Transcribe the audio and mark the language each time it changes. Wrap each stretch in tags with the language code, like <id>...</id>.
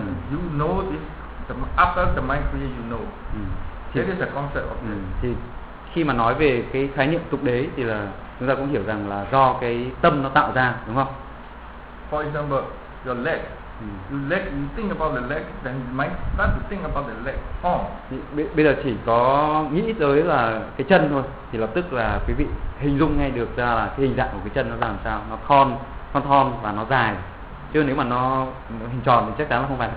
<en>You know this, after the mind create you know. That is the concept of this.</en> <vi>Khi mà nói về cái khái niệm tục đế thì là chúng ta cũng hiểu rằng là do cái tâm nó tạo ra, đúng không?</vi> <en>For example, your leg. Your leg, you think about the leg, then mind start to think about the leg.</en> <vi>Bây giờ chỉ có nghĩ tới là cái chân thôi, thì lập tức là quý vị hình dung ngay được ra là cái hình dạng của cái chân nó ra làm sao. Nó thon, thon thon và nó dài. Chứ nếu mà nó hình tròn thì chắc chắn là không phải là</vi>